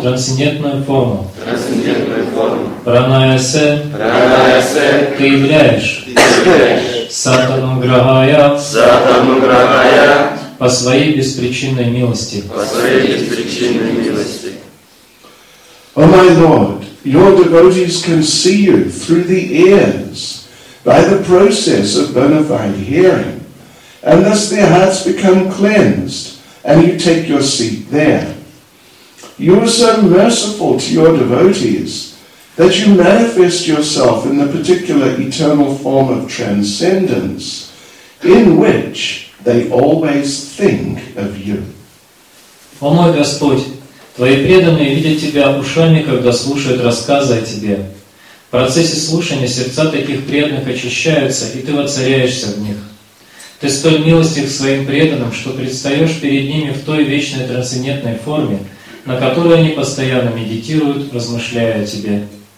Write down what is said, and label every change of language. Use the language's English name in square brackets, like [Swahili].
[Russian] трансцендентную форму, трансцендентную форму, [Sanskrit] Пранаясе, Пранаясе, [Russian] ты являешь, ты являешь, [Sanskrit] Сатану Грахая, Сатану Грахая, [Russian] по своей беспричинной милости, по своей беспричинной милости. [English] О, my Lord, your devotees can see you through the ears by the process of bona fide hearing, and thus their hearts become cleansed, and you take your seat there. You are so merciful to your devotees that you manifest yourself in the particular eternal form of transcendence in which they always think of you. [Russian] О мой Господь, Твои преданные видят Тебя ушами, когда слушают рассказы о Тебе. В процессе слушания сердца таких преданных очищаются, и Ты воцаряешься в них. Ты столь милостив своим преданным, что предстаешь перед ними в той вечной трансцендентной форме, на которой они постоянно медитируют, размышляя о Тебе.